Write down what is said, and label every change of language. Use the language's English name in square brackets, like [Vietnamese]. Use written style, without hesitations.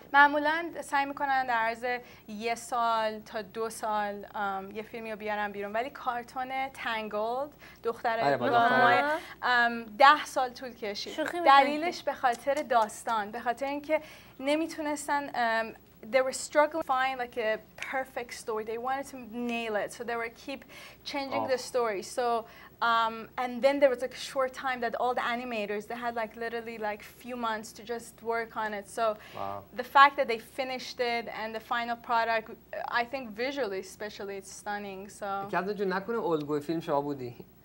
[Persian] معمولاً سعی میکنن در عرض یه سال تا دو سال یه فیلمی رو بیارن بیرون. ولی کارتون تنگلد دختر نوهای 10 سال طول کشید. دلیلش به خاطر داستان، به خاطر اینکه نمیتونستن. [English] They were struggling to find like a perfect story. They wanted to nail it, so they were keep changing the story. So. And then there was like a short time that all the animators, they had like literally like few months to just work on it. So the fact that they finished it and the final product, I think visually especially, it's stunning. So. [Persian] کدوم جو نکنه اول گوی فیلم شما بودی؟